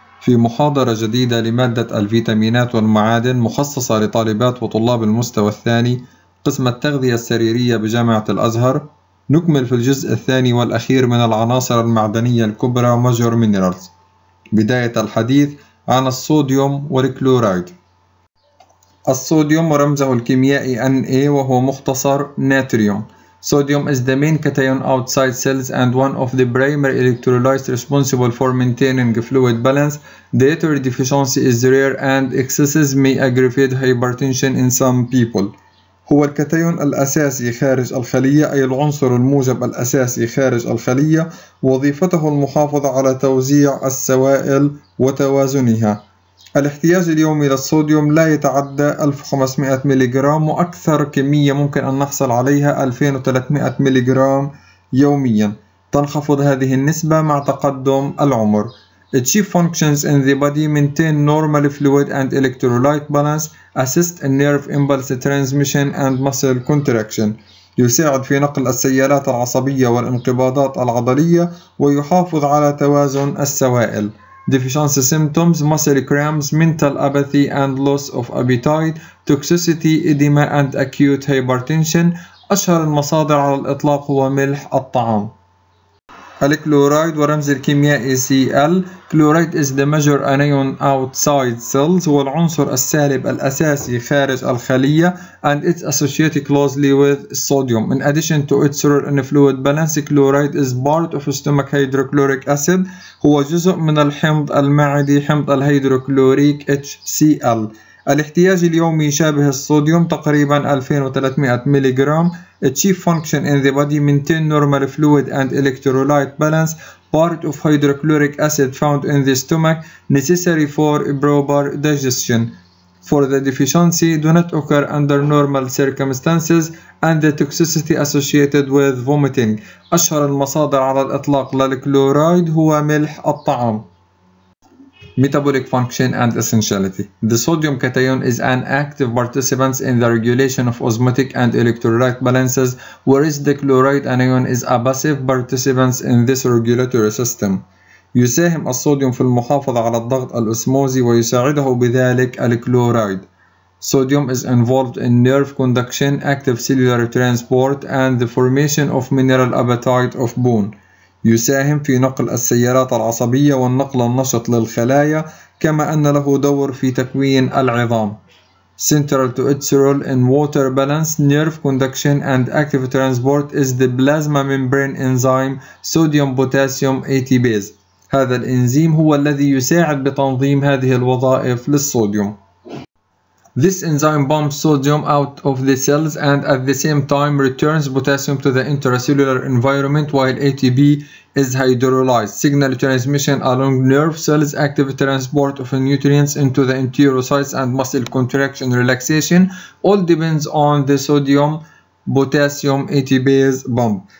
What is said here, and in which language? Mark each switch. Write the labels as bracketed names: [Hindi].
[Arabic] في محاضرة جديدة لمادة الفيتامينات والمعادن مخصصة لطالبات وطلاب المستوى الثاني قسم التغذية السريرية بجامعة الأزهر، نكمل في الجزء الثاني والأخير من العناصر المعدنية الكبرى مجر مينرالز. بداية الحديث عن الصوديوم والكلورايد. الصوديوم ورمزه الكيميائي Na وهو مختصر ناتريوم. [English] Sodium is the main cation outside cells and one of the primary electrolytes responsible for maintaining fluid balance. Dietary deficiency is rare and excesses may aggravate hypertension in some people. [Arabic] هو الكاتيون الأساسي خارج الخلية، أي العنصر الموجب الأساسي خارج الخلية، وظيفته المحافظة على توزيع السوائل وتوازنها. الاحتياج اليومي للصوديوم لا يتعدى 1500 ميلي جرام، وأكثر كمية ممكن أن نحصل عليها 2300 ميلي جرام يوميا. تنخفض هذه النسبة مع تقدم العمر. [English] Achieve functions in the body, maintain normal fluid and electrolyte balance, assist in nerve impulse transmission and muscle contraction. [Arabic] يساعد في نقل السيالات العصبية والانقباضات العضلية ويحافظ على توازن السوائل. [English] Deficiency symptoms, muscle cramps, mental apathy and loss of appetite, toxicity, edema and acute hypertension. [Arabic] أشهر المصادر على الإطلاق هو ملح الطعام. الكلورايد ورمز الكيميائي Cl. [English] Chloride is the major anion outside cells. [Arabic] هو العنصر السالب الأساسي خارج الخلية [English] and it's associated closely with sodium. In addition to its role in fluid balance, chloride is part of stomach hydrochloric acid. [Arabic] هو جزء من الحمض المعدي، حمض الهيدروكلوريك HCl. الاحتياج اليومي يشابه الصوديوم تقريبا 2300 ميلي جرام. [English] Achieve function in the body, maintain normal fluid and electrolyte balance. Part of hydrochloric acid found in the stomach necessary for proper digestion. For the deficiency, do not occur under normal circumstances and the toxicity associated with vomiting. [Arabic] أشهر المصادر على الإطلاق للكلورايد هو ملح الطعام. [English] Metabolic function and essentiality. The sodium cation is an active participant in the regulation of osmotic and electrolyte balances, whereas the chloride anion is a passive participant in this regulatory system. [Arabic] يساهم الصوديوم في المحافظة على الضغط الأسموزي ويساعده بذلك الكلورايد. [English] Sodium is involved in nerve conduction, active cellular transport, and the formation of mineral apatite of bone. [Arabic] يساهم في نقل السيارات العصبية والنقل النشط للخلايا، كما أن له دور في تكوين العظام. [English] Central to its role in water balance, nerve conduction and active transport is the plasma membrane enzyme sodium potassium ATPase. [Arabic] هذا الإنزيم هو الذي يساعد بتنظيم هذه الوظائف للصوديوم. [English] This enzyme pumps sodium out of the cells and at the same time returns potassium to the intracellular environment while ATP is hydrolyzed. Signal transmission along nerve cells, active transport of nutrients into the enterocytes and muscle contraction relaxation all depends on the sodium potassium ATPase pump.